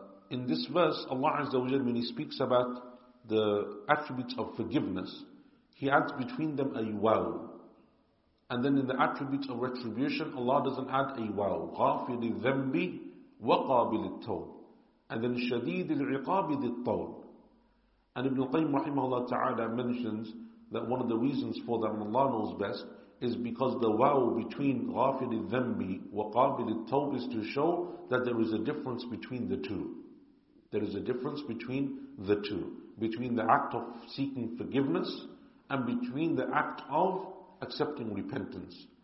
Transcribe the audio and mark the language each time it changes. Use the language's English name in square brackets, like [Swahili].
[English] In this verse, Allah Azza wa Jalla, when He speaks about the attributes of forgiveness, He adds between them a waw. And then in the attributes of retribution, Allah doesn't add a waw. [Arabic] غافر الذنب وقابل التوب. [English] And then [Arabic] شديد العقاب ذي الطول. [English] And Ibn al-Qayyim rahimahullah ta'ala mentions that one of the reasons for that, Allah knows best, is because the waw between [Arabic] غافر الذنب وقابل التوب [English] is to show that there is a difference between the two. There is a difference between the two. Between the act of seeking forgiveness and between the act of accepting repentance.